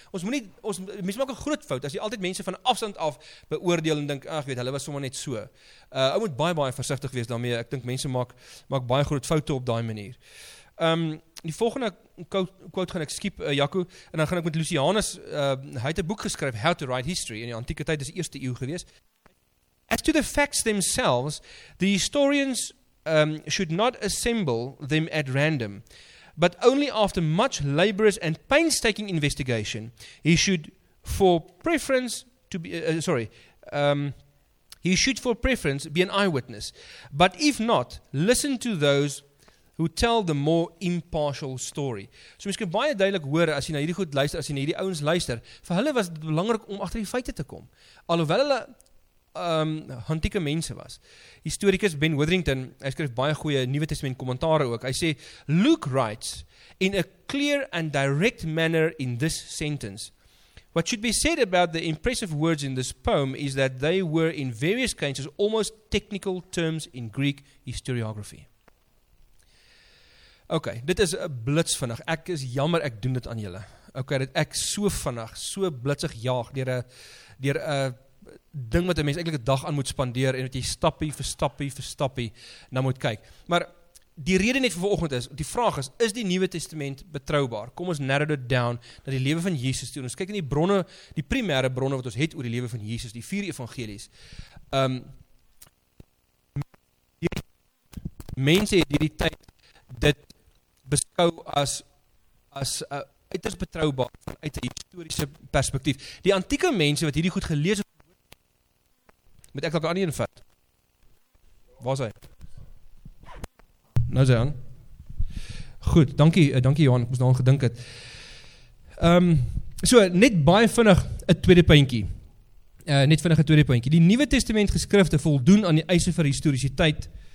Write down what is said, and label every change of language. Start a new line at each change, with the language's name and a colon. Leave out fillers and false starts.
Afrikaans: Ons moet nie, mense maak 'n groot fout, as jy altyd mense van afstand af beoordeel en dink, ag, weet, hulle was sommer net so. Ou moet baie, baie versigtig wees daarmee, ek dink mense maak baie groot foute op daai manier. Die volgende quote gaan ek skiep, Jaco, en dan gaan ek met Lucianus, hy het 'n boek geskryf, How to Write History, in die antieke tyd, dis die eerste eeuw gewees.
English: As to the facts themselves, the historians should not assemble them at random, but only after much laborious and painstaking investigation. He should for preference be an eyewitness. But if not, listen to those
Afrikaans: who tell the more impartial story. So mens kan baie duidelik hoor as jy na hierdie goed luister, as jy na hierdie ouens luister, vir hulle was dit belangrik om agter die feite te kom. Alhoewel hulle antieke mense was. Historikus Ben Witherington, hy skryf baie goeie Nuwe Testament kommentare ook.
English: Hy sê, Luke writes in a clear and direct manner in this sentence. What should be said about the impressive words in this poem is that they were in various cases almost technical terms in Greek historiography.
Afrikaans: Ok, dit is blits vinnig. Ek is jammer ek doen dit aan julle. Ok, dat ek so vinnig, so blitsig jaag deur 'n ding wat 'n mens eintlik 'n dag aan moet spandeer en wat jy stappie vir stappie vir stappie na moet kyk. Maar die rede net vir vanoggend is, die vraag is, is die Nuwe Testament betroubaar? Kom ons narrow it down na die lewe van Jesus toe. Ons kyk in die bronne, die primêre bronne wat ons het oor die lewe van Jesus, die vier evangelies. Mense het hierdie tyd dit beskou as uiters betroubaar vanuit 'n historiese perspektief. Die antieke mense wat hierdie goed gelees het, moet ek dalk 'n ander een vat. Waar is hy? Nou dan. Goed, dankie Johan, ek moes daaraan gedink het. So net baie vinnig 'n tweede puntjie. Die Nuwe Testament geskrifte voldoen aan die eise vir historisiteit.